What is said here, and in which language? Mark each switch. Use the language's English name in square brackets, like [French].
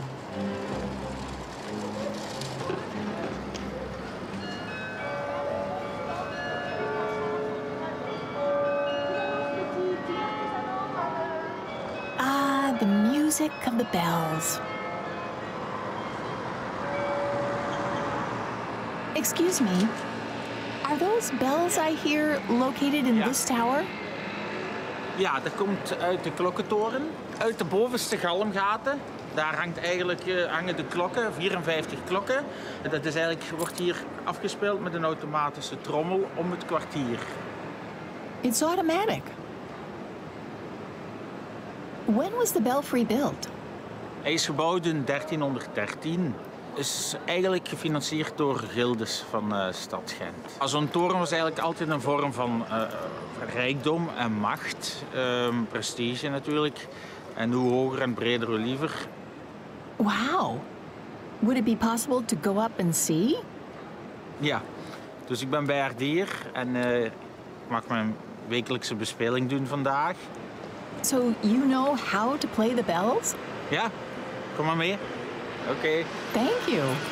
[English] Of the bells. Excuse me, are those bells I hear located in this tower? [Dutch] Ja, dat komt uit de klokkentoren, uit de bovenste galmgaten. Daar hangt eigenlijk, hangen de klokken, 54 klokken. En dat is eigenlijk, wordt hier afgespeeld met een automatische trommel om het kwartier. [English] It's automatic. When was the belfry built? [Dutch] Hij is gebouwd in 1313. Is eigenlijk gefinancierd door gildes van stad Ghent. Zo'n toren was eigenlijk altijd een vorm van rijkdom en macht. Prestige natuurlijk. En hoe hoger en breder, hoe liever. [English] Wow. Would it be possible to go up and see? [Dutch] Ja. Dus ik ben bij Ardier en ik mag mijn wekelijkse bespeling doen vandaag. [English] So you know how to play the bells? [Dutch] Ja. Kom maar mee. Oké. [English] Thank you.